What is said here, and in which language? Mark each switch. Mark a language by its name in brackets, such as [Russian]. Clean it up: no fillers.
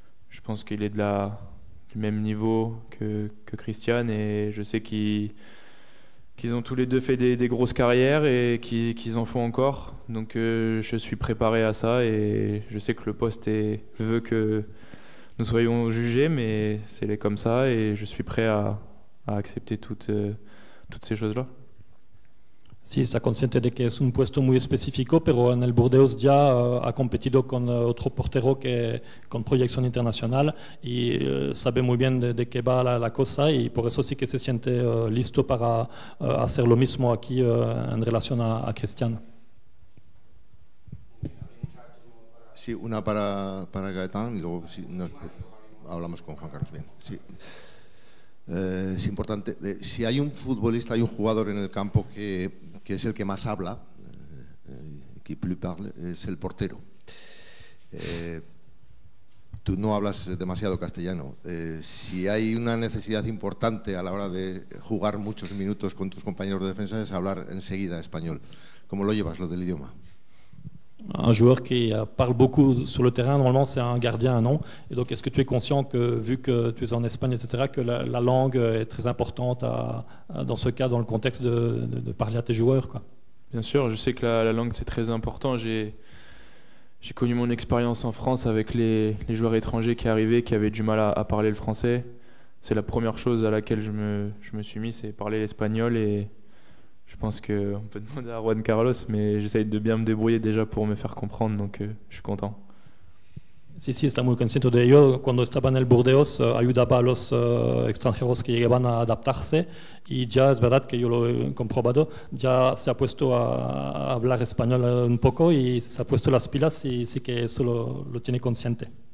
[French] Je pense qu'il est du même niveau que Christiane, et je sais qu'ils ont tous les deux fait des grosses carrières et qu'ils en font encore. Donc je suis préparé à ça et je sais que le poste veut que nous soyons jugés, mais c'est comme ça et je suis prêt à accepter toutes ces choses-là. [Spanish] Sí, está consciente de que es un puesto muy específico, pero en el Burdeos ya ha competido con otro portero que con proyección internacional y sabe muy bien de qué va la cosa, y por eso sí que se siente listo para hacer lo mismo aquí en relación a Cristian. Sí, una para Gaetán y luego sí, hablamos con Juan Carlos. Bien, sí. Es importante, si hay un futbolista, hay un jugador en el campo que es el que más habla, [French] qui plus parle, [Spanish] es el portero. Tú no hablas demasiado castellano. Si hay una necesidad importante a la hora de jugar muchos minutos con tus compañeros de defensa, es hablar enseguida español. ¿Cómo lo llevas, lo del idioma? [French] Un joueur qui parle beaucoup sur le terrain, normalement c'est un gardien, non? Et donc est-ce que tu es conscient que, vu que tu es en Espagne, etc., que la langue est très importante dans ce cas, dans le contexte de parler à tes joueurs, quoi? Bien sûr, je sais que la langue c'est très important. J'ai connu mon expérience en France avec les joueurs étrangers qui arrivaient, qui avaient du mal à parler le français. C'est la première chose à laquelle je me suis mis, c'est parler l'espagnol. Et je pense qu'on peut demander à Juan Carlos, mais j'essaie de bien me débrouiller déjà pour me faire comprendre, donc je suis content. [Spanish] Sí, sí, está muy consciente de ello. Cuando estaba en el Burdeos, ayudaba a los extranjeros que llegaban a adaptarse, y ya es verdad que yo lo he comprobado, ya se ha puesto a hablar español un poco y se ha puesto las pilas, y sí que eso lo tiene consciente.